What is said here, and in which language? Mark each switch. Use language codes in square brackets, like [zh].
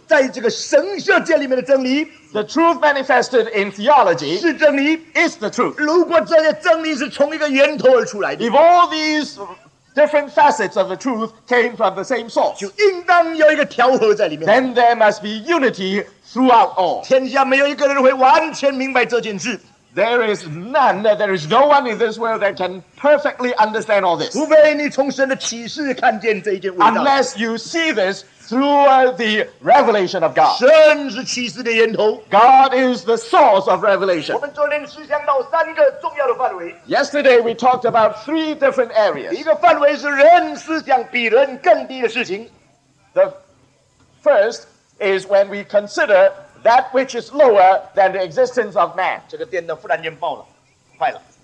[zh] 在这个神学界里面的真理, [en] the truth manifested in theology [zh] 是真理, [en] is the truth. [zh] 如果这些真理是从一个源头而出来的, [en] if all these different facets of the truth came from the same source, [zh] 就应当有一个调和在里面, [en] then there must be unity throughout all. [zh] 天下没有一个人会完全明白这件事。 [en] There is none, there is no one in this world that can perfectly understand all this. [zh] 除非你从神的启示看见这一件伟大。 [en] Unless you see this through the revelation of God. [zh] 神是启示的源头。 [en] God is the source of revelation. [zh] 我们昨天思想到三个重要的范围。 [en] Yesterday we talked about three different areas. [zh] 一个范围是人思想比人更低的事情。 [en] The first is when we consider that which is lower than the existence of man. [zh] 这个电灯忽然间爆了，坏了。